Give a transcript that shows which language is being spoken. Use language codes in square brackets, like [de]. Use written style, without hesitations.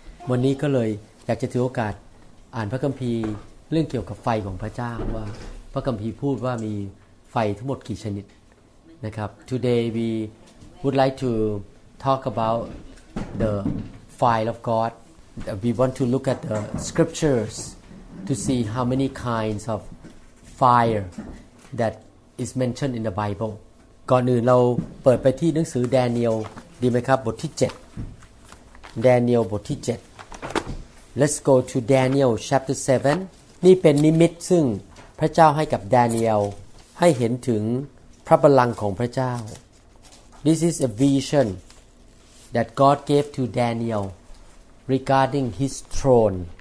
[th] วันนี้ก็เลยอยากจะถือโอกาสอ่านพระคัมภีร์เรื่องเกี่ยวกับไฟของพระเจ้าว่าพระคัมภีร์พูดว่ามีไฟทั้งหมดกี่ชนิดนะครับ [en] Today we would like to talk about the fire of God. We want to look at the scriptures to see how many kinds of fire that is mentioned in the Bible. [th] ก่อนอื่นเราเปิดไปที่หนังสือแดเนียลดีไหมครับบทที่7 Daniel บทที่7 [en] Let's go to Daniel chapter 7 [th] นี่เป็นนิมิตซึ่งพระเจ้าให้กับแดเนียลให้เห็นถึงพระบัลลังก์ของพระเจ้า [en] This is a vision that God gave to Daniel regarding his throne.